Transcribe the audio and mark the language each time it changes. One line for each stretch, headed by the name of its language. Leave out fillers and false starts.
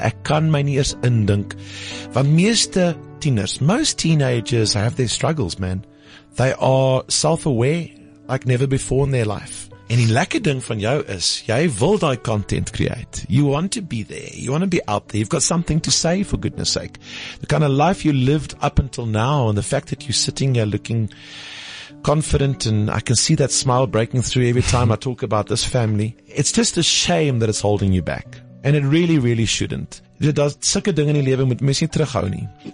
Afrikaans: Ek kan my nie eers indink, want meeste tieners,
English: most teenagers have their struggles, man. They are self-aware like never before in their life.
Afrikaans: En die lekker ding van jou is, jy wil die content create.
English: You want to be there. You want to be out there. You've got something to say, for goodness sake. The kind of life you lived up until now, and the fact that you're sitting here looking confident, and I can see that smile breaking through every time I talk about this family. It's just a shame that it's holding you back. And it really, really shouldn't.
Afrikaans: Dit is sulke ding in die lewe, moet mens nie terughou nie.